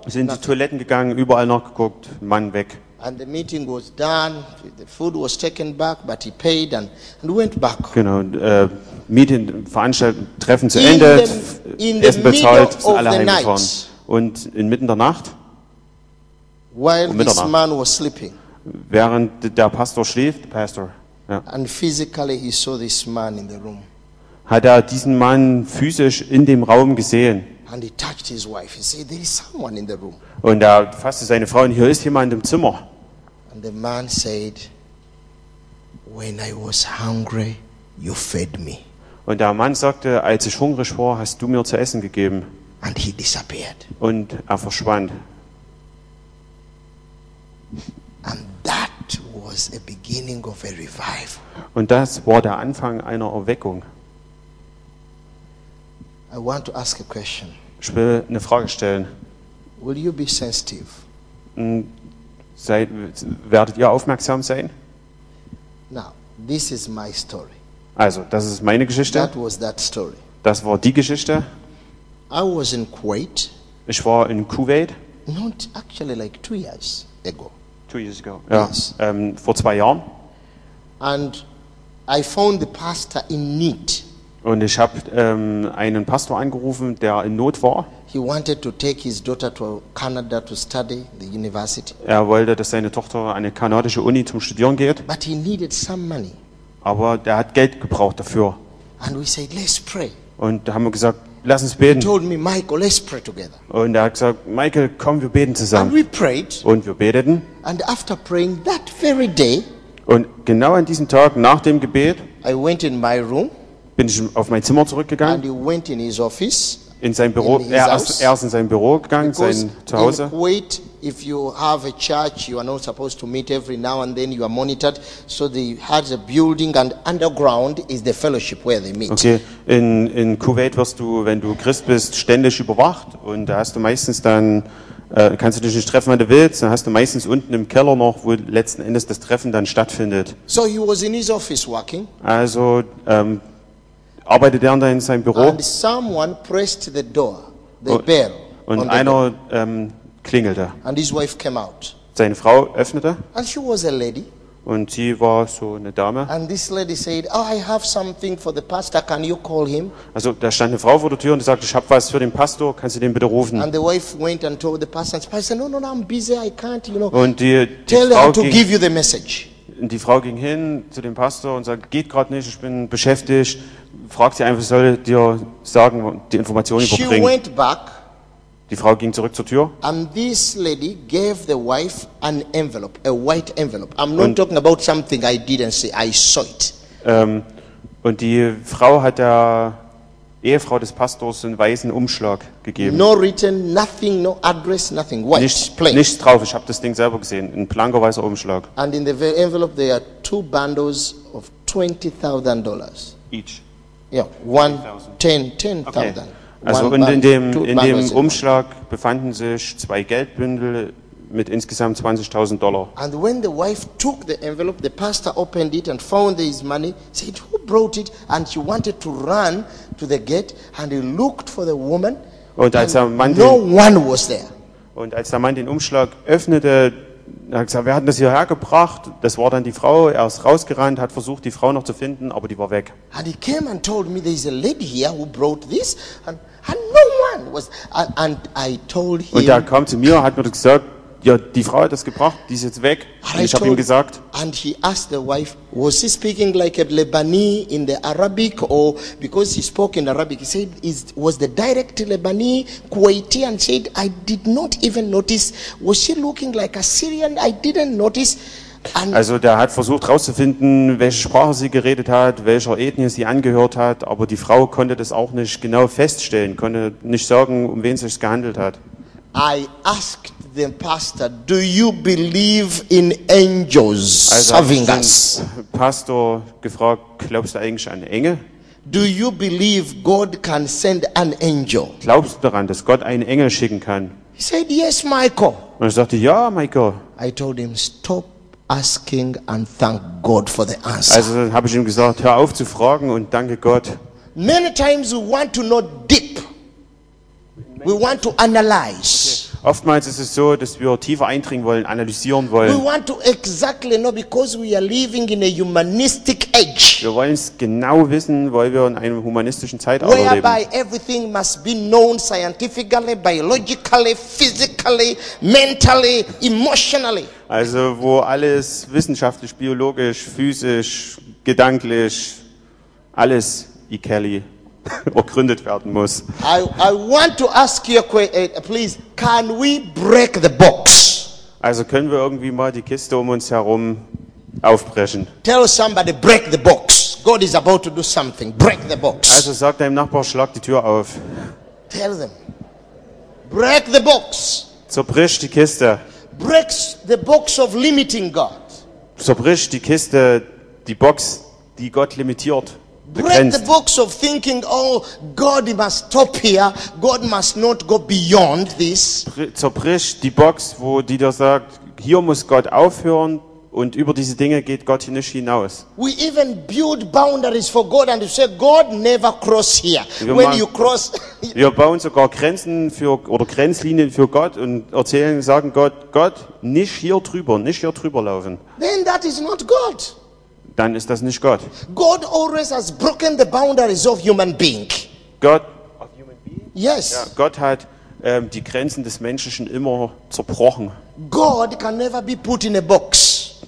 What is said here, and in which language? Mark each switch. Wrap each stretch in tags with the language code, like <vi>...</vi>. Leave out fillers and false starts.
<de>Sind die Toiletten gegangen, überall nachgeguckt, Mann weg.</de> <en>And the meeting was done, the food was taken back, but he paid and went back.</en> <de>Genau, Meeting, Veranstaltung, Treffen zu Ende, Essen bezahlt, sind alle heimgefahren. Und inmitten der Nacht,</de> <en>this man was sleeping,</en> <de>während der Pastor schläft, Pastor,</de> <en>ja, and physically he saw this man in the room,</en> <de>hat er diesen Mann physisch in dem Raum gesehen.</de> <en>And he touched his wife. He said, "There is someone in the room."</en> <de>Und er fasste seine Frau und hier ist jemand im Zimmer.</de> <en>And the man said, "When I was hungry, you fed me."</en> <de>Und der Mann sagte, als ich hungrig war, hast du mir zu essen gegeben.</de> <en>And he disappeared.</en> <de>Und er verschwand.</de> <en>And that was the beginning of a revival.</en> <de>Und das war der Anfang einer Erweckung.</de> <en>I want to ask a question.</en> <de>Ich will eine Frage stellen.</de> <en>Will you be sensitive?</en> <de>Werdet ihr aufmerksam sein?</de> <en>Now, this is my story.</en> <de>Also, das ist meine Geschichte.</de> <en>That was that story.</en> <de>Das war die Geschichte.</de> <en>I was in Kuwait.</en> <de>Ich war in Kuwait.</de> <en>Not actually like 2 years ago. 2 years ago. Ja. Yes.</en> <de>Vor 2 Jahren.</de> <en>And I found the pastor in need.</en> <de>Und ich habe einen Pastor angerufen, der in Not war.</de> <en>He wanted to take his daughter to Canada to study the university.</en> <de>Er wollte, dass seine Tochter an eine kanadische Uni zum Studieren geht.</de> <en>But he needed some money.</en> <de>Aber der hat Geld gebraucht dafür.</de> <en>And we said, let's pray.</en> <de>Und da haben wir gesagt, lass uns beten.</de> <en>He told me, Michael, let's pray together.</en> <de>Und er hat gesagt, Michael, komm, wir beten zusammen.</de> <en>And we prayed.</en> <de>Und wir beteten.</de> <en>And after praying that very day,</en> <de>und genau an diesem Tag, nach dem Gebet,</de> <en>I went in my room,</en> <de>bin ich auf mein Zimmer zurückgegangen.</de> <en>And he went in his office,</en> <de>in sein Büro. Er ist in sein Büro gegangen, sein Zuhause.</de> <en>In Kuwait, if you have a church, you are not supposed to meet every now and then. You are monitored. So they had a building and underground is the fellowship where they meet. Okay.</en> <de>In Kuwait wirst du, wenn du Christ bist, ständig überwacht und da hast du meistens dann kannst du dich nicht treffen, wenn du willst. Dann hast du meistens unten im Keller noch, wo letzten Endes das Treffen dann stattfindet.</de> <en>So he was in his office working.</en> <de>Also arbeitete er dann in seinem Büro.</de> <en>And someone pressed the door, the bell.</en> <de>Und einer klingelte.</de> <en>And his wife came out.</en> <de>Seine Frau öffnete.</de> <en>And she was a lady.</en> <de>Und sie war so eine Dame.</de> <en>And this lady said, "Oh, I have something for the pastor. Can you call him?"</en> <de>Also da stand eine Frau vor der Tür und sagte, ich habe was für den Pastor. Kannst du den bitte rufen?</de> <en>And the wife went and told the pastor. The pastor said, "No, no, no, I'm busy. I can't, you know."</en> <de>Und die</de> <en>tell</en> <de>Frau</de> <en>her to give you the message.</en> <de>Und die Frau ging hin zu dem Pastor und sagte, geht gerade nicht, ich bin beschäftigt. Fragt sie einfach, soll ich dir sagen, die Information überbringen.</de> <en>She went back,</en> <de>die Frau ging zurück zur Tür.</de> <en>And this lady gave the wife an envelope, a white envelope. I'm not talking about something I didn't see, I saw it.</en> <de>Und die Frau hat der Ehefrau des Pastors einen weißen Umschlag gegeben.</de> <en>No written, nothing, no address, nothing.</en> <de>White, nichts drauf, ich habe das Ding selber gesehen, ein blanker weißer Umschlag.</de> <en>And in the envelope there are 2 bundles of $20,000. Each. Yeah, one, 10,000. Okay.</en> <de>Also one in dem in dem Umschlag befanden sich 2 Geldbündel mit insgesamt $20,000.</de> <en>And when the wife took the envelope, the pastor opened it and found his money. Said, "Who brought it?" And she wanted to run to the gate and he looked for the woman.</en> <de>Und als der Mann</de> <en>no one was there.</en> <de>Und als der Mann den Umschlag öffnete, er hat gesagt, wer hat das hierher gebracht? Das war dann die Frau. Er ist rausgerannt, hat versucht, die Frau noch zu finden, aber die war weg.</de> <en>And he came and told me, there is a lady here who brought this, and no one was. And I told him.</en> <de>Und er kam zu mir, hat mir gesagt, ja, die Frau hat das gebracht, die ist jetzt weg. Und ich habe ihm gesagt.</de> <en>And he asked the wife, was he speaking like a Lebanese in the Arabic, or because he spoke in Arabic? He said, was the direct Lebanese Kuwaiti? And said, I did not even notice. Was she looking like a Syrian? I didn't notice. And also,</en> <de>der hat versucht herauszufinden, welche Sprache sie geredet hat, welcher Ethnie sie angehört hat, aber die Frau konnte das auch nicht genau feststellen, konnte nicht sagen, um wen es sich gehandelt hat.</de> <en>I asked the pastor, do you believe in angels serving us?</en> <de>Pastor gefragt, glaubst du eigentlich an Engel?</de> <en>Do you believe God can send an angel?</en> <de>Glaubst du daran, dass Gott einen Engel schicken kann?</de> <en>He said, yes, Michael.</en> <de>Und ich sagte, ja, Michael.</de> <en>I told him, stop asking and thank God for the answer.</en> <de>Also habe ich ihm gesagt, hör auf zu fragen und danke Gott.</de> <en>Many times we want to know deep. We want to analyze. Okay.</en> <de>Oftmals ist es so, dass wir tiefer eindringen wollen, analysieren wollen.</de> <en>We want to exactly know because we are living in a humanistic age.</en> <de>Wir wollen es genau wissen, weil wir in einem humanistischen Zeitalter leben.</de> <en>Whereby everything must be known scientifically, biologically, physically, mentally, emotionally.</en> <de>Also wo alles wissenschaftlich, biologisch, physisch, gedanklich, alles Ikeli ergründet werden muss.</de> <en>I want to ask you please, can we break the box?</en> <de>Also können wir irgendwie mal die Kiste um uns herum aufbrechen?</de> <en>Tell somebody break the box. God is about to do something. Break the box.</en> <de>Also sag deinem Nachbar, schlag die Tür auf.</de> <en>Tell them. Break the box.</en> <de>Zerbrich die Kiste.</de> <en>Break the box of limiting God.</en> <de>Zerbrich die Kiste, die Box, die Gott limitiert.</de> <en>Break the box of thinking, oh, God must stop here, God must not go beyond this.</en> <de>Zerbrich die Box, wo die da sagt, hier muss Gott aufhören und über diese Dinge geht Gott nicht hinaus.</de> <en>We even build boundaries for God and say, God never cross here.</en> <de>Wir bauen sogar Grenzen für oder Grenzlinien für Gott und erzählen, sagen Gott, Gott, nicht hier drüber laufen.</de> <en>Then that is not God.</en> <de>Dann ist das nicht Gott.</de> <en>God always has broken the boundaries of human being. Yes.</en> <de>Ja, Gott hat die Grenzen des Menschen immer zerbrochen.</de> <en>God can never be put in a box.</en>